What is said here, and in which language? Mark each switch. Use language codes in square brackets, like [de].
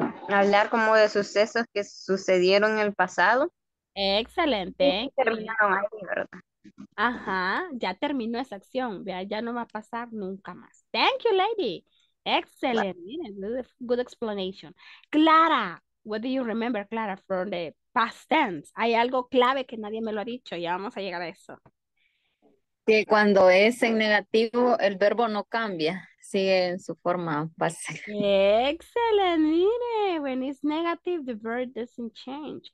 [es] Hablar como de sucesos que sucedieron en el pasado. Excelente, Terminaron ahí, ¿verdad? Ajá, ya terminó esa acción, vea, ya no va a pasar nunca más. [en] Thank you, lady. Excelente. Good explanation. Clara, what do you remember, Clara, from the past tense? [es] Hay algo clave que nadie me lo ha dicho, ya vamos a llegar a eso. Que cuando es en negativo, el verbo no cambia, sigue en su forma básica. Excelente, mire, [en] when it's negative, the verb doesn't change.